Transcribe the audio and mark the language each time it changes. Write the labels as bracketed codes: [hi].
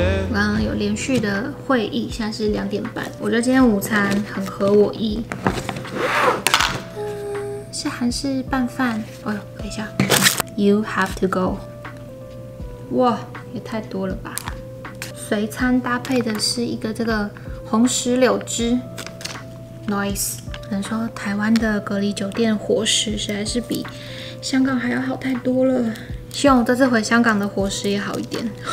[zh] 我刚刚有连续的会议，现在是两点半。我觉得今天午餐很合我意，是韩式拌饭。哎呦，等一下 ， [en] You have to go。 [zh] 哇，也太多了吧！随餐搭配的是一个这个红石榴汁 ， [en] Nice。 [zh] 能说台湾的隔离酒店伙食实在是比香港还要好太多了。希望我这次回香港的伙食也好一点。